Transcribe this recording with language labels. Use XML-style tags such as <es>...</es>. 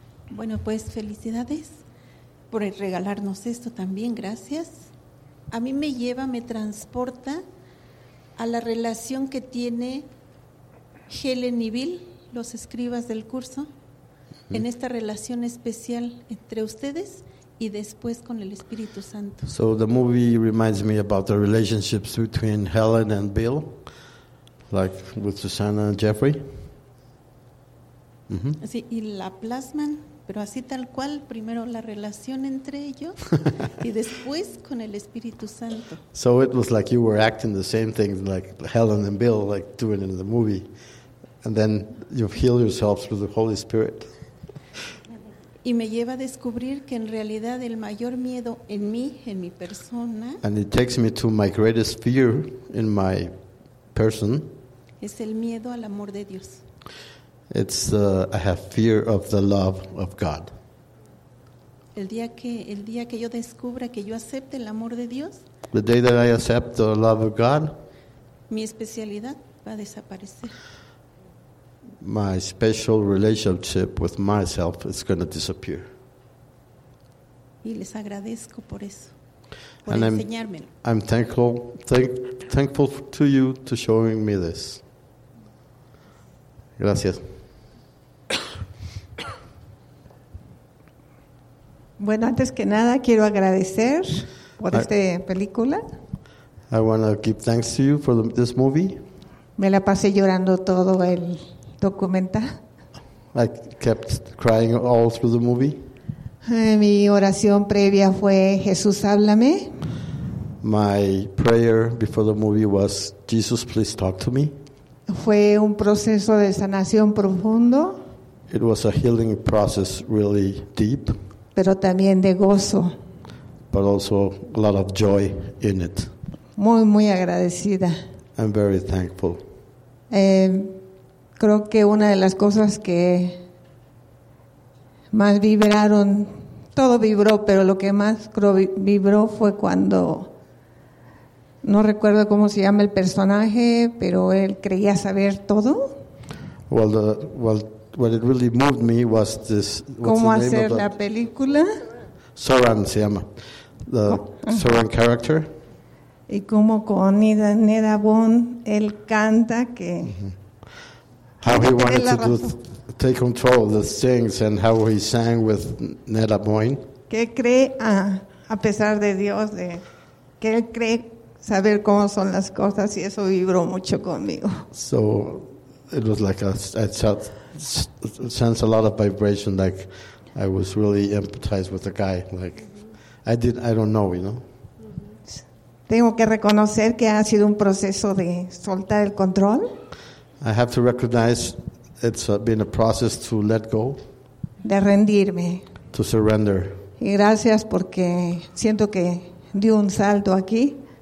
<es>Bueno, pues felicidades por regalarnos esto también. Gracias. A mí me lleva, me transporta a la relación que tiene Helen y Bill, los escribas del curso, en esta relación especial entre ustedes y después con el Espíritu Santo.</es> <en>So the movie reminds me about the relationships between Helen and Bill, like with Susana and Jeffrey.</en> <es>Mm-hmm. Sí, y la plasman. Pero así tal cual, primero la relación entre ellos y después con el Espíritu Santo.</es> <en>So it was like you were acting the same thing like Helen and Bill, like doing in the movie. And then you heal yourself through the Holy Spirit.</en> <es>Y me lleva a descubrir que en realidad el mayor miedo en mí, en mi persona.</es> <en>And it takes me to my greatest fear in my person.</en> <es>Es el miedo al amor de Dios.</es> <en>It's I have fear of the love of God.</en> <es>El día que yo descubra que yo acepte el amor de Dios,</es> <en>the day that I accept the love of God,</en> <es>mi especialidad va a desaparecer.</es> <en>My special relationship with myself is going to disappear.</en> <es>Y les agradezco por eso, por enseñármelo.</es> <en>I'm thankful to you to showing me this.</en> <es>Gracias. Bueno, antes que nada quiero agradecer por esta película.</es> <en>I want to give thanks to you for this movie.</en> <es>Me la pasé llorando todo el documental.</es> <en>I kept crying all through the movie.</en> <es>Mi oración previa fue Jesús, háblame.</es> <en>My prayer before the movie was Jesus, please talk to me.</en> <es>Fue un proceso de sanación profundo.</es> <en>It was a healing process really deep.</en> <es>Pero también de gozo.</es> <en>But also a lot of joy in it.</en> <es>Muy, muy agradecida.</es> <en>I'm very thankful.</en> <es>Creo que una de las cosas que más vibraron, todo vibró, pero lo que más creo vibró fue cuando, no recuerdo cómo se llama el personaje, pero él creía saber todo.</es> <en>Well, what it really moved me was this.</en> <es>¿Cómo hacer la película? Soran se llama.</es> <en>The Soran character.</en> <es>Y como con Ida Nedabón, él canta que.</es> <en>How he wanted to take control of the things and how he sang with Nedabón.</en> <es>Que cree a pesar de Dios, de que él cree saber cómo son las cosas y eso vibró mucho conmigo.</es> <en>So it was like I sense a lot of vibration, like I was really empathized with the guy, like I don't know, you know.</en> <es>Tengo que reconocer que ha sido un proceso de soltar el control.</es> <en>I have to recognize it's been a process to let go.</en> <es>De rendirme.</es> <en>To surrender.</en> <es>Y gracias porque siento que di un salto aquí.</es>